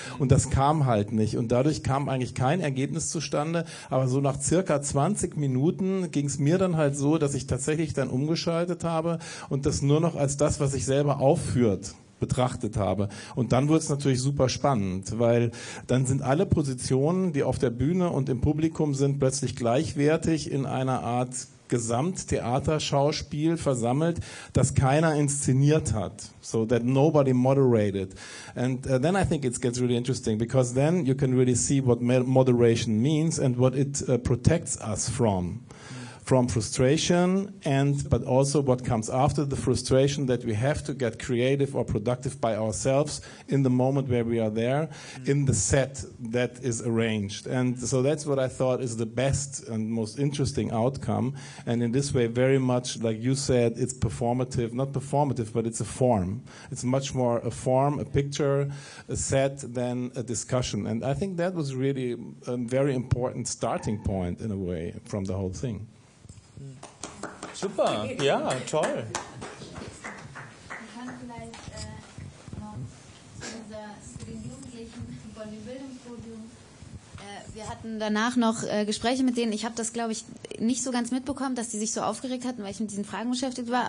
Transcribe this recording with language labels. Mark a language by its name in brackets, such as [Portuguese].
[German] und das kam halt nicht und dadurch kam eigentlich kein Ergebnis zustande, aber so nach circa 20 Minuten ging es mir dann halt so, dass ich tatsächlich dann umgeschaltet habe und das nur noch als das, was ich selber aufführt, betrachtet habe. Und dann wird es natürlich super spannend, weil dann sind alle Positionen, die auf der Bühne und im Publikum sind, plötzlich gleichwertig in einer Art Gesamttheaterschauspiel versammelt, das keiner inszeniert hat. [English] So that nobody moderated. And then I think it gets really interesting, because then you can really see what moderation means and what it protects us from. From frustration and but also what comes after the frustration that we have to get creative or productive by ourselves in the moment where we are there in the set that is arranged. And so that's what I thought is the best and most interesting outcome. And in this way, very much like you said, it's performative, not performative, but it's a form. It's much more a form, a picture, a set than a discussion. And I think that was really a very important starting point in a way from the whole thing. [German] Super, ja, toll. Ich kann vielleicht noch zu den Jugendlichen von dem Bildungspodium. wir hatten danach noch Gespräche mit denen. Ich habe das, glaube ich, nicht so ganz mitbekommen, dass die sich so aufgeregt hatten, weil ich mit diesen Fragen beschäftigt war.